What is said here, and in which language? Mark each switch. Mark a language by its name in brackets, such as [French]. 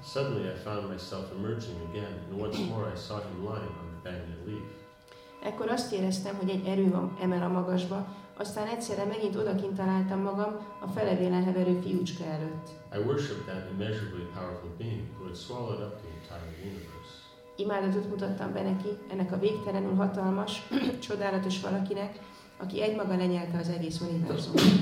[English] Suddenly I found myself emerging again, and once more I saw him lying on the banyan leaf. [Hungarian] Ekkor azt éreztem, hogy egy erő emel a magasba, aztán egyszerre megint odakint találtam magam a felevélen heverő fiúcska előtt. [English] I worshiped that immeasurably powerful being who had swallowed up the entire universe. [Hungarian] Imádatot mutattam be neki, ennek a végtelenül hatalmas, csodálatos valakinek, aki egymaga lenyelte az egész univerzumot.